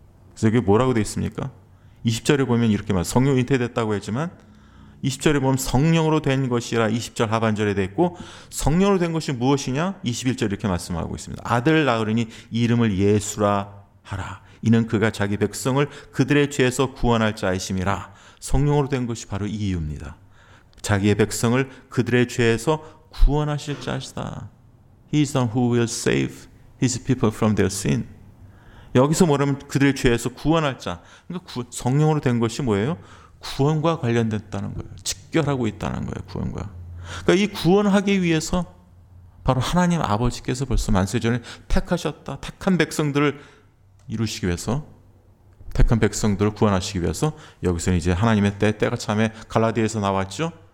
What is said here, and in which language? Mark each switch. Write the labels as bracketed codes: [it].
[ko] 그래서 여기 뭐라고 되어 있습니까? 20절에 보면 이렇게 말해요. 성령 잉태됐다고 했지만 20절에 보면 성령으로 된 것이라 20절 하반절에 됐고 성령으로 된 것이 무엇이냐? 21절 이렇게 말씀하고 있습니다. 아들 낳으리니 이름을 예수라 하라. 이는 그가 자기 백성을 그들의 죄에서 구원할 자이심이라. 성령으로 된 것이 바로 이 이유입니다. 자기의 백성을 그들의 죄에서 구원하실 자이시다. [en] He is the one who will save his people from their sin. [ko] 여기서 뭐냐면 그들의 죄에서 구원할 자. 그러니까 성령으로 된 것이 뭐예요? 구원과 관련됐다는 거예요. 직결하고 있다는 거예요. 구원과. 그러니까 이 구원하기 위해서 바로 하나님 아버지께서 벌써 만세 전에 택하셨다. 택한 백성들을 이루시기 위해서 택한 백성들을 구원하시기 위해서 여기서는 이제 하나님의 때가 참에 갈라디아에서 나왔죠.